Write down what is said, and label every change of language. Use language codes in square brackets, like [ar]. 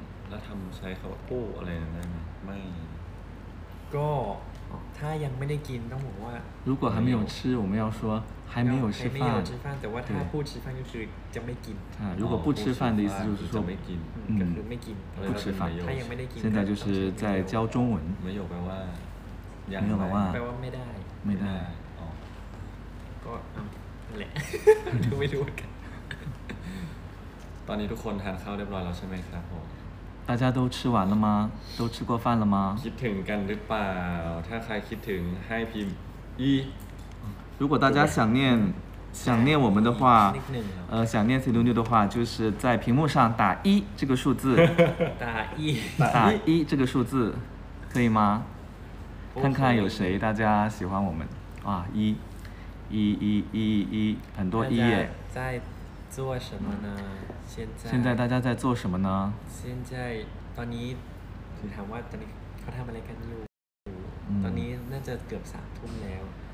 [zh] 那他们 [th] ใช้คำว่าโอ้อะไรได้ไหม？ ไม่ก็ถ้ายังไม่ได้กินต้องบอกว่า [zh] 如果还没有吃我们要说还没有吃饭还没有吃饭 [th] แต่ว่าถ้าพูด [zh] 吃饭就是 [th] จะไม่กิน [zh] 如果不吃饭的意思就是说 [th] จะไม่กิน ก็คือไม่กิน [zh] 不吃饭 [th] ถ้ายังไม่ได้กิน [zh] 现在就是在教中文 [th] 没有แปลว่ายังไม่ แปลว่ าไม่ได้ ไม่ได้ก็แหละดูไม่รู้กัน ตอนนี้ทุกคนทานข้าวเรียบร้อยแล้วใช่ไหมครับผม [zh] 大家都吃完了吗？都吃过饭了吗？ [th] คิดถึงกันหรือเปล่า？ ถ้าใครคิดถึง，ให้พิมพ์一。 [zh] 如果大家想念我们的话，想念 C 六六的话，就是在屏幕上打一这个数字。打一这个数字，可以吗？看看有谁大家喜欢我们。哇，一，一一一一，很多一耶。做什么呢？现在大家在做什么呢？ [th] 现在，ตอนนี้คือถามว่าตอนนี้เขาทำอะไรกันอยู่ตอนนี้น่าจะเกือบ3ทุ่มแล้ว